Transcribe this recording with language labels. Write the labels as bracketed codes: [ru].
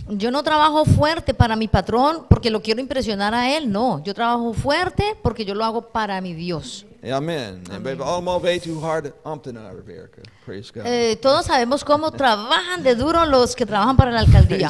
[es] Yo no trabajo fuerte para mi patrón porque lo quiero impresionar a él. No, yo trabajo fuerte porque yo lo hago para mi Dios. Amen. Amen. [nl] We allemaal weten hoe hard ambtenaren werken. [en] Praise God. [es] Todos sabemos cómo trabajan de duro los que trabajan para la alcaldía.